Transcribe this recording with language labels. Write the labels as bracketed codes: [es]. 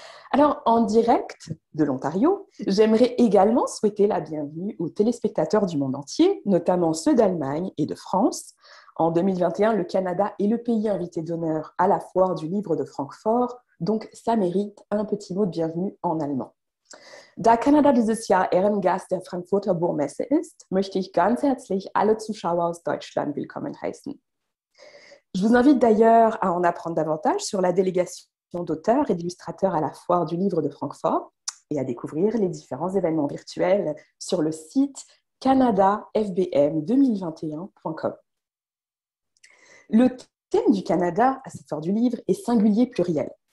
[fr] Alors, en direct de l'Ontario, j'aimerais également souhaiter la bienvenue aux téléspectateurs du monde entier, notamment ceux d'Allemagne et de France. En 2021, le Canada est le pays invité d'honneur à la Foire du Livre de Francfort, donc ça mérite un petit mot de bienvenue en allemand. [de] Da Kanada dieses Jahr Ehrengast der Frankfurter Buchmesse ist, möchte ich ganz herzlich alle Zuschauer aus Deutschland willkommen heißen. [fr] Je vous invite d'ailleurs à en apprendre davantage sur la délégation d'auteurs et d'illustrateurs à la Foire du Livre de Francfort et à découvrir les différents événements virtuels sur le site canadafbm2021.com. Le thème du Canada, à cette heure du livre, est singulier pluriel.